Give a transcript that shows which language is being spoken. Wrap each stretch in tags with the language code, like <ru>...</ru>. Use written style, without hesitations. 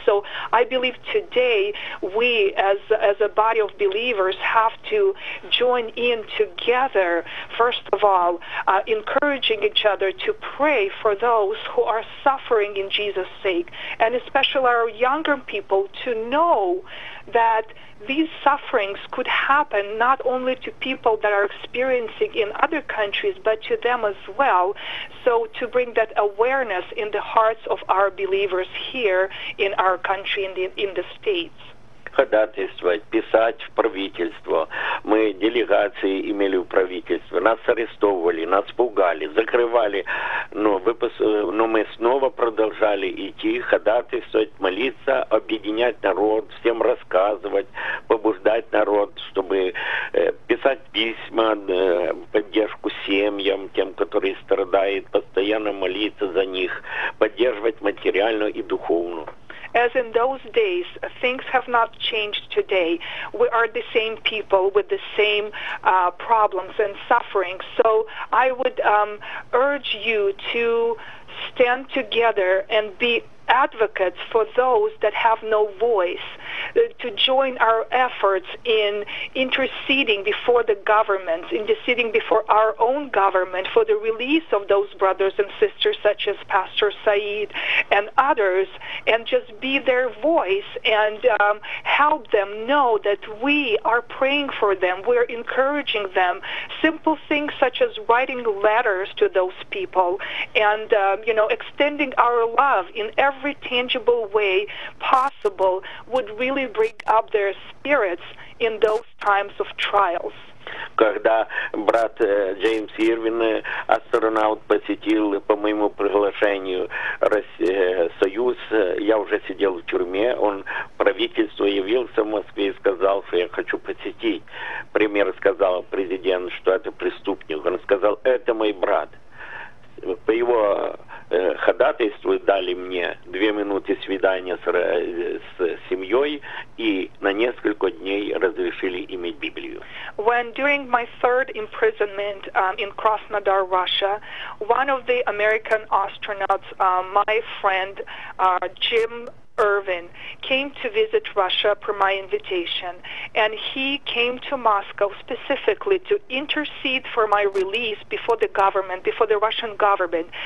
<en>So I believe today we as a body of believers have to join in together, first of all, encouraging each other to pray for those who are suffering in Jesus' sake, and especially our younger people to know that these sufferings could happen not only to people that are experiencing in other countries, but to them as well. So to bring that awareness in the hearts of our believers here in our country, in the States.</en> <ru>Ходатайствовать, писать в правительство. Мы делегации имели в правительстве. Нас арестовывали, нас пугали, закрывали. Но мы снова продолжали идти, ходатайствовать, молиться, объединять народ, всем рассказывать, побуждать народ, чтобы писать письма в поддержку семьям, тем, которые страдают, постоянно молиться за них, поддерживать материально и духовно.</ru> <en>As in those days, things have not changed today. We are the same people with the same problems and suffering. So I would urge you to stand together and be advocates for those that have no voice, to join our efforts in interceding before the government, interceding before our own government for the release of those brothers and sisters such as Pastor Saeed and others, and just be their voice and help them know that we are praying for them, we're encouraging them. Simple things such as writing letters to those people and extending our love in every tangible way possible would really bring up their spirits in those times of trials.</en> <ru>Когда брат Джеймс Ирвин, астронавт, посетил по моему приглашению Союз, я уже сидел в тюрьме, он в правительство явился в Москве и сказал, что я хочу посетить. Премьер сказал, президент, что это преступник. Он сказал, это мой брат. По его ходатайству дали мне 2 минуты свидания с семьей и на несколько дней разрешили иметь Библию.</ru> <en>When during my third imprisonment in Krasnodar, Russia, one of the American astronauts, my friend Jim Irvin, came to visit Russia per my invitation, and he came to Moscow specifically to intercede for my release before the government, before the Russian government.</en>